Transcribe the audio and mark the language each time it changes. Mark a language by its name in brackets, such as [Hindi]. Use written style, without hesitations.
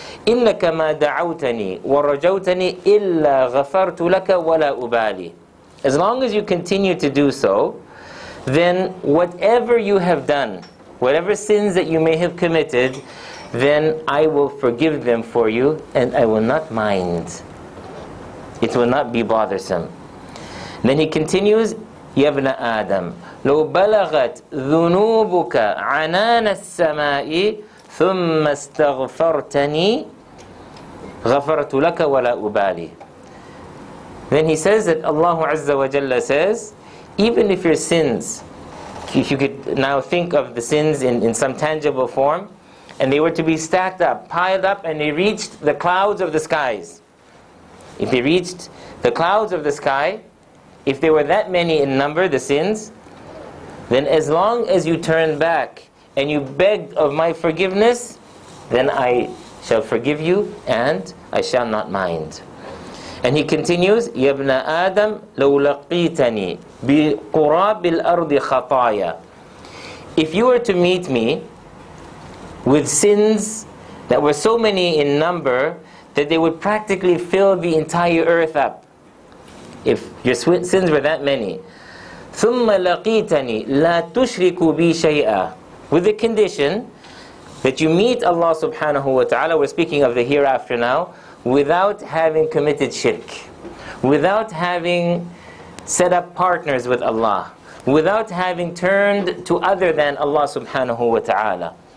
[Arabic] إِنَّكَ مَا دَعَوْتَنِي وَرَجَوْتَنِي إِلَّا غَفَرْتُ لَكَ وَلَا أُبَالِي. [English] As long as you continue to do so, then whatever you have done, whatever sins that you may have committed, then I will forgive them for you, and I will not mind. It will not be bothersome. Then he continues, [Arabic] يَبْنَ آدَمْ لَوْ بَلَغَتْ ذُنُوبُكَ عَنَانَ السَّمَاءِ ثُمَّ اسْتَغْفَرْتَنِي غَفَرْتُ لَكَ وَلَا أُبَالِي. [English] Then he says that Allah Azza wa Jalla says, even if your sins, if you could now think of the sins in some tangible form, and they were to be stacked up, piled up, and they reached the clouds of the skies. If they reached the clouds of the sky, if they were that many in number, the sins, then as long as you turn back and you beg of my forgiveness, then I shall forgive you and I shall not mind. And he continues, [Arabic] يَبْنَ آدَمْ لَوْ لَقِيتَنِي بِقُرَابِ الْأَرْضِ خَطَايَا. [English] If you were to meet me with sins that were so many in number that they would practically fill the entire earth up, if your sins were that many, [Arabic] ثُمَّ لَقِيتَنِي لَا تُشْرِكُ بِي شَيْئًا, [English] with the condition that you meet Allah subhanahu wa ta'ala, we're speaking of the hereafter now, without having committed shirk, without having set up partners with Allah, without having turned to other than Allah subhanahu wa ta'ala.